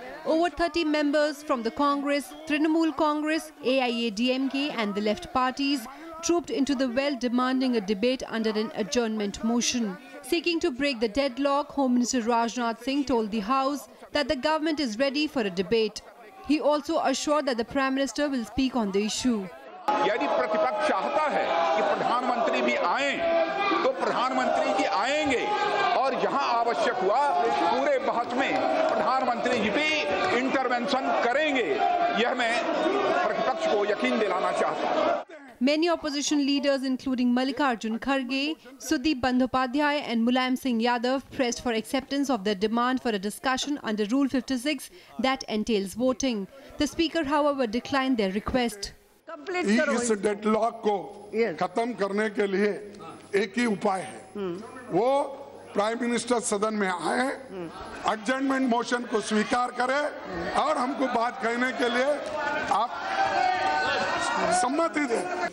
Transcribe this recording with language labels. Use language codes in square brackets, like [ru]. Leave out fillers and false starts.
[en] Over 30 members from the Congress, Trinamool Congress, AIADMK and the left parties trooped into the well demanding a debate under an adjournment motion. Seeking to break the deadlock, Home Minister Rajnath Singh told the House that the government is ready for a debate. He also assured that the Prime Minister will speak on the issue. [hi] यदि प्रतिपक्ष चाहता है कि प्रधानमंत्री भी आएं, तो प्रधानमंत्री जी आएंगे और यहां आवश्यक हुआ पूरे बहस में प्रधानमंत्री जी भी इंटरवेंशन करेंगे यह मैं प्रतिपक्ष को यकीन दिलाना चाहता हूं। [en] Many opposition leaders including Mallikarjun Kharge, Sudeep Bandopadhyay and Mulayam Singh Yadav pressed for acceptance of their demand for a discussion under Rule 56 that entails voting. The speaker however declined their request. [hi] इस deadlock को खत्म करने के लिए एक ही उपाय है वो प्राइम मिनिस्टर सदन में आए एडजर्नमेंट मोशन को स्वीकार करें और हमको बात कहने के लिए आप सम्मति दें